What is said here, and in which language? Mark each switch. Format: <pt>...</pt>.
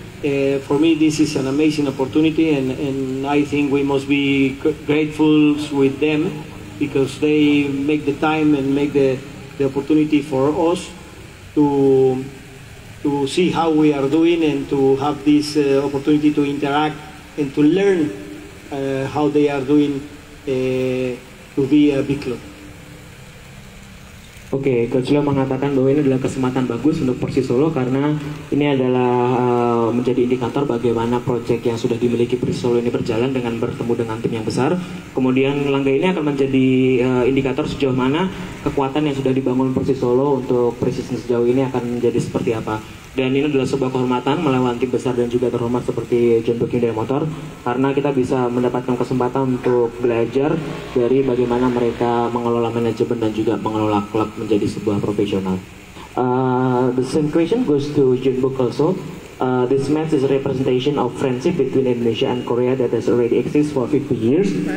<en>For me, this is an amazing opportunity, and I think we must be grateful with them because they make the time and make the opportunity for us to see how we are doing and to have this opportunity to interact and to learn how they are doing to be a big club.</en> <id>Okay, Coach Leo mengatakan bahwa ini adalah kesempatan bagus untuk Persis Solo karena ini adalah menjadi indikator bagaimana proyek yang sudah dimiliki Persis Solo ini berjalan dengan bertemu dengan tim yang besar. Kemudian langkah ini akan menjadi indikator sejauh mana kekuatan yang sudah dibangun Persis Solo untuk Persis sejauh ini akan menjadi seperti apa. Dan ini adalah sebuah kehormatan melawan tim besar dan juga terhormat seperti Jeonbuk Hyundai Motor karena kita bisa mendapatkan kesempatan untuk belajar dari bagaimana mereka mengelola manajemen dan juga mengelola klub menjadi sebuah profesional.</id> <en>The same question goes to Jeonbuk also. This match is a representation of friendship between Indonesia and Korea that has already existed for 50 years.</en>